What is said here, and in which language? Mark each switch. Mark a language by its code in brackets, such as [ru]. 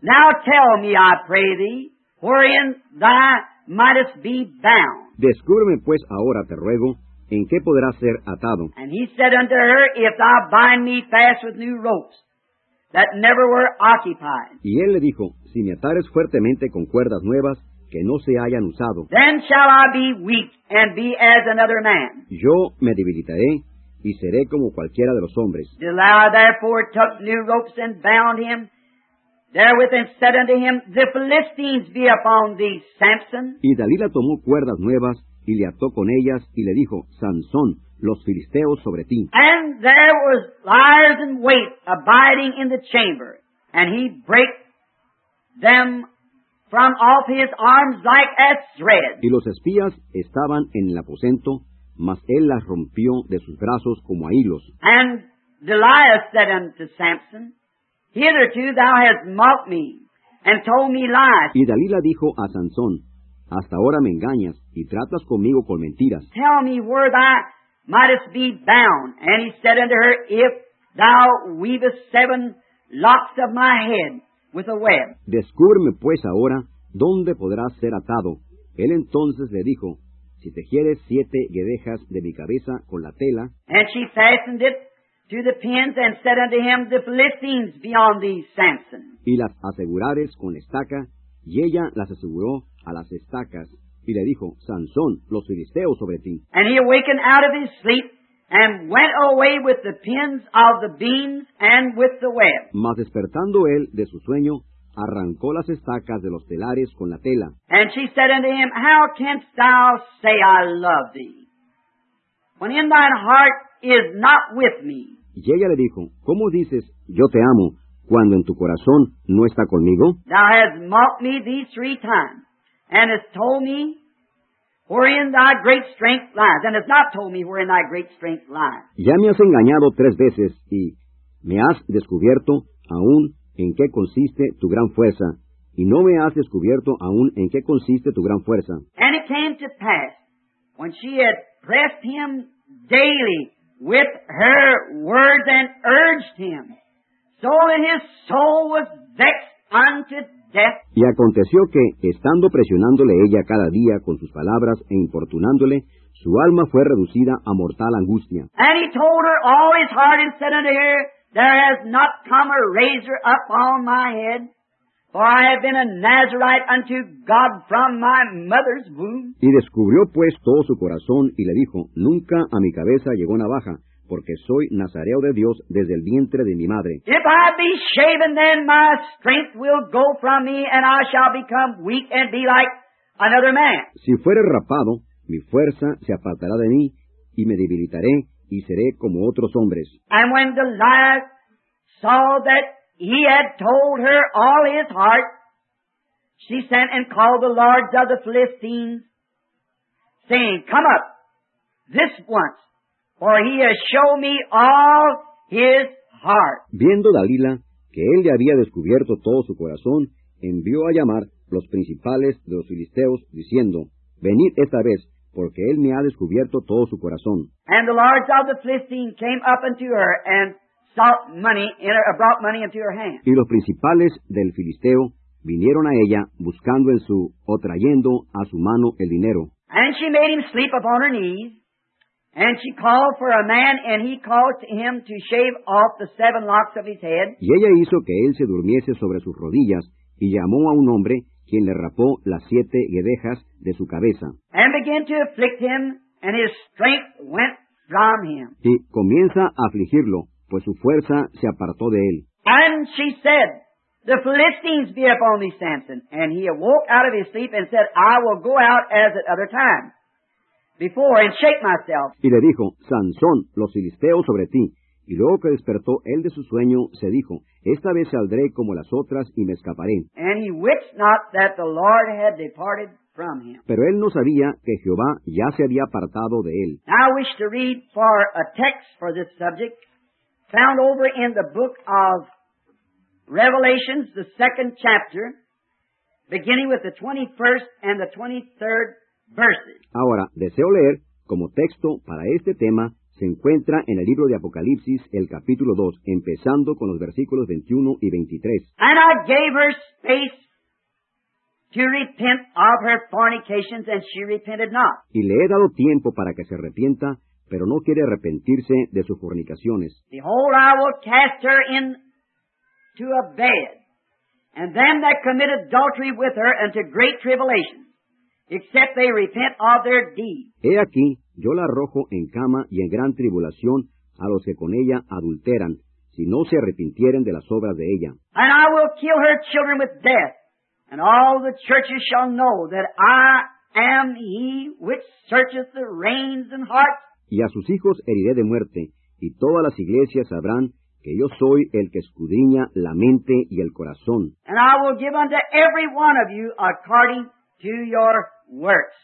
[en] Now tell me, I pray thee, wherein thou mightest be bound. [es] Descúbreme pues ahora, te ruego, en qué podrás ser atado. [en] And he said unto her, If thou bind me fast with new ropes that never were occupied. [es] Y él le dijo, si me atares fuertemente con cuerdas nuevas, que no se hayan usado. [en] Then shall I be weak and be as another man. [es] Yo me debilitaré y seré como cualquiera de los hombres. [en] Delilah therefore took new ropes and bound him therewith and said unto him, The Philistines be upon thee, Samson. [es] Y Dalila tomó cuerdas nuevas y le ató con ellas y le dijo, Sansón, los filisteos sobre ti. [en] And there was liers in wait abiding in the chamber, and he brake them from off his arms like as thread. [es] Y los espías estaban en el aposento, mas él las rompió de sus brazos como a hilos. [en] And Delilah said unto Samson, Hitherto thou hast mocked me, and told me lies. [es] Y Dalila dijo a Sansón, Hasta ahora me engañas, y tratas conmigo con mentiras. [en] Tell me where thou mightest be bound. And he said unto her, If thou weavest 7 locks of my head, with a web. [es] Descúbreme pues ahora dónde podrás ser atado. Él entonces le dijo, si tejieres 7 guedejas de mi cabeza con la tela. [en] And she fastened it to the pins and said unto him, The Philistines be on thee, Samson. [es] Y las asegurares con estaca, y ella las aseguró a las estacas, y le dijo, Sansón, los filisteos sobre ti. [en] And he awakened out of his sleep and went away with the pins of the beams and with the web. [es] Mas despertando él de su sueño, arrancó las estacas de los telares con la tela. [en] And she said unto him, How canst thou say I love thee, when in thine heart is not with me? [es] Y ella le dijo, ¿Cómo dices, yo te amo, cuando en tu corazón no está conmigo? [en] Thou hast mocked me these 3 times, and hast told me, Wherein thy great strength lies, and hast not told me wherein thy great strength lies. [es] Ya me has engañado 3 veces, y me has descubierto aún en qué consiste tu gran fuerza, y no me has descubierto aún en qué consiste tu gran fuerza. [en] And it came to pass, when she had pressed him daily with her words and urged him, so that his soul was vexed unto death. [es] Y aconteció que, estando presionándole ella cada día con sus palabras e importunándole, su alma fue reducida a mortal angustia. [en] And he told her all his heart and said unto her, There has not come a razor up on my head, for I have been a Nazarite unto God from my mother's womb. [es] Y descubrió pues todo su corazón y le dijo, Nunca a mi cabeza llegó navaja, porque soy Nazareo de Dios desde el vientre de mi madre. [en] If I be shaven, then my strength will go from me, and I shall become weak and be like another man. [es] Si fuere rapado, mi fuerza se apartará de mí, y me debilitaré, y seré como otros hombres. [en] And when Delilah saw that he had told her all his heart, she sent and called the lords of the Philistines, saying, Come up, this once, For he has shown me all his heart. [es] Viendo Dalila que él ya había descubierto todo su corazón, envió a llamar los principales de los filisteos, diciendo, venid esta vez, porque él me ha descubierto todo su corazón. [en] And the lords of the Philistines came up unto her and sought money, brought money into her hand. [es] Y los principales del filisteo vinieron a ella buscando en su o trayendo a su mano el dinero. [en] And she made him sleep upon her knees, and she called for a man, and he called to him to shave off the 7 locks of his head. [es] Y ella hizo que él se durmiese sobre sus rodillas, y llamó a un hombre, quien le rapó las 7 guedejas de su cabeza. [en] And began to afflict him, and his strength went from him. [es] Y comienza a afligirlo, pues su fuerza se apartó de él. [en] And she said, the Philistines be upon thee, Samson. And he awoke out of his sleep and said, I will go out as at other time before and shake myself. [es] Y le dijo, Sansón, los filisteos sobre ti. Y luego que despertó él de su sueño, se dijo, esta vez saldré como las otras y me escaparé. [en] And he wist not that the Lord had departed from him. [es] Pero él no sabía que Jehová ya se había apartado de él. [en] I wish to read for a text for this subject found over in the book of Revelations, the 2nd chapter, beginning with the 21st and the 23rd verses. [es] Ahora, deseo leer, como texto para este tema, se encuentra en el libro de Apocalipsis, el capítulo 2, empezando con los versículos 21 y 23. [en] And I gave her space to repent of her fornications, and she repented not. [es] Y le he dado tiempo para que se arrepienta, pero no quiere arrepentirse de sus fornicaciones. [en] Behold, I will cast her in to a bed, and them that commit adultery with her unto great tribulation, except they repent of their deeds. [es] He aquí, yo la arrojo en cama y en gran tribulación a los que con ella adulteran, si no se arrepintieren de las obras de ella. [en] And I will kill her children with death, and all the churches shall know that I am he which searcheth the reins and hearts. [es] Y a sus hijos heriré de muerte, y todas las iglesias sabrán que yo soy el que escudriña la mente y el corazón. [en] And I will give unto every one of you according to your works.